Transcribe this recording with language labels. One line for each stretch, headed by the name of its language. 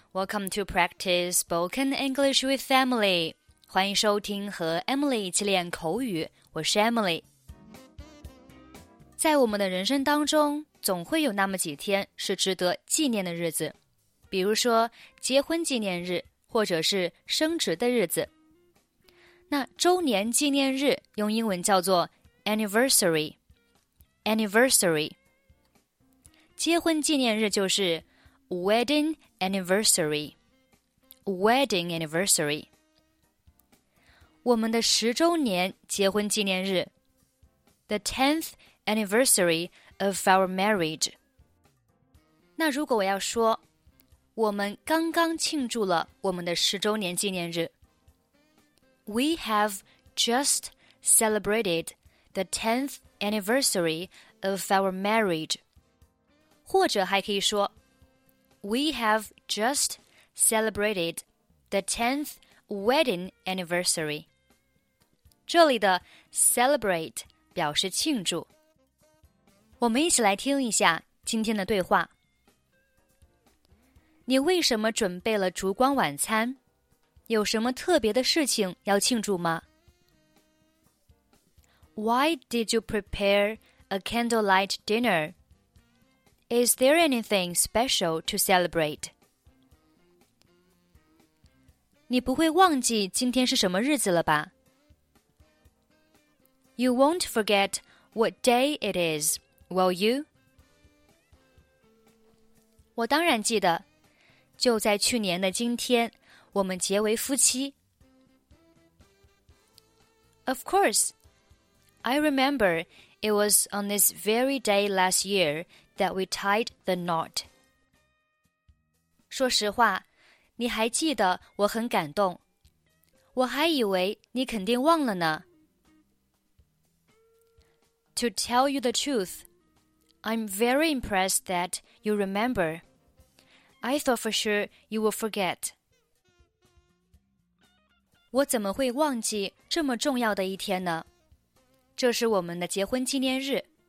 English: Welcome to practice spoken English with Emily.
Chinese: 欢迎收听和 Emily 一起练口语。我是 Emily。在我们的人生当中，总会有那么几天是值得纪念的日子，比如说结婚纪念日，或者是升职的日子。那周年纪念日用英文叫做 anniversary。
English: anniversary。
Chinese: 结婚纪念日就是
English: Wedding anniversary, wedding anniversary.
Chinese: 我们的十周年结婚纪念日
English: The 10th anniversary of our marriage.
Chinese: 那如果我要说我们刚刚庆祝了我们的十周年纪念日
English: We have just celebrated the 10th anniversary of our marriage.
Chinese: 或者还可以说
English: We have just celebrated the 10th wedding anniversary.
Chinese: 这里的 celebrate 表示庆祝。我们一起来听一下今天的对话。你为什么准备了烛光晚餐？有什么特别的事情要庆祝吗？
English: Why did you prepare a candlelight dinner? Is there anything special to celebrate?
Chinese: 你不会忘记今天是什么日子了吧?
English: You won't forget what day it is, will you?
Chinese: 我当然记得,就在去年的今天,我们结为夫妻。
English: Of course, I remember it was on this very day last year,that we tied the knot.
Chinese: 说实话,你还记得我很感动。我还以为你肯定忘了呢。
English: To tell you the truth, I'm very impressed that you remember. I thought for sure you will forget.
Chinese: 我怎么会忘记这么重要的一天呢?这是我们的结婚纪念日。